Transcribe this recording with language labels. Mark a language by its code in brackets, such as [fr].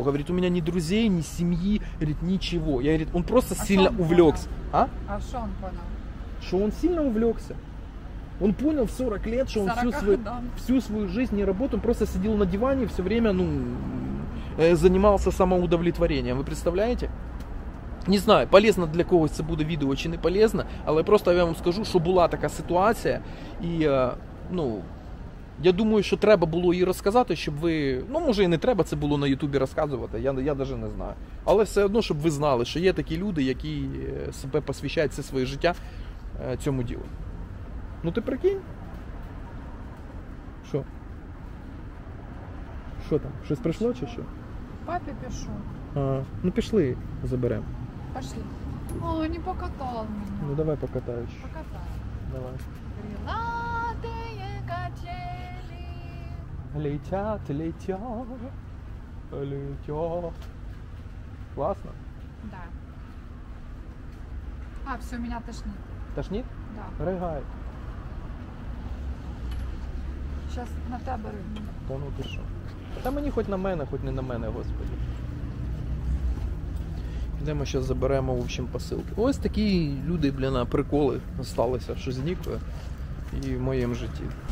[ru] Говорит, у меня ни друзей, ни семьи, говорит, ничего. Я, говорит, он просто сильно увлекся. А что он понял? что он сильно увлекся. Он понял в 40 лет, что он всю свою жизнь не работал. Он просто сидел на диване и все время занимался самоудовлетворением. Вы представляете? [uk] Не знаю, полезно для кого це буде відео, чи не полезно, але просто я вам скажу, що була така ситуація, і, ну, я думаю, що треба було її розказати, щоб ви, ну, може і не треба це було на Ютубі розказувати, я даже не знаю. Але все одно, щоб ви знали, що є такі люди, які себе посвящають все своє життя цьому ділу. Ну, ти прикинь? Що? Що там? Щось прийшло чи що? Папі пішу. А, ну, пішли, заберемо. [ru] Пошли. О, не покатал меня. Ну давай покатай еще. Покатай. Давай. Крылатые качели. Летят, летят, летят. Классно? Да. А, все, меня тошнит. Тошнит? Да. Рыгает. Сейчас на тебя рыгнет. Понял, пишу. [uk] Там они хоть на мене, хоть не на мене, господи. Йдемо, зараз заберемо, [ru] в общем, [uk] посилки. Ось такі люди, блін, приколи сталися, що зникли і в моєму житті.